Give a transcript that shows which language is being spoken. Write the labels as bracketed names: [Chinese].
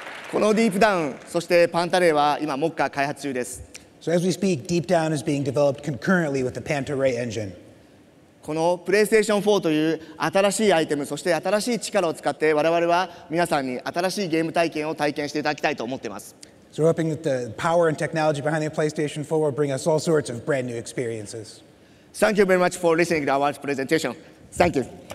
[Japanese] このディープダウン、そしてパンタレイは今目下開発中です。 [English] So as we speak, Deep Down is being developed concurrently with the Pantare engine. [Japanese] このプレイステーション4という新しいアイテム、そして新しい力を使って我々は皆さんに新しいゲーム体験を体験していただきたいと思っています。 [English] So we're hoping that the power and technology behind the PlayStation 4 will bring us all sorts of brand new experiences. Thank you very much for listening to our presentation. Thank you.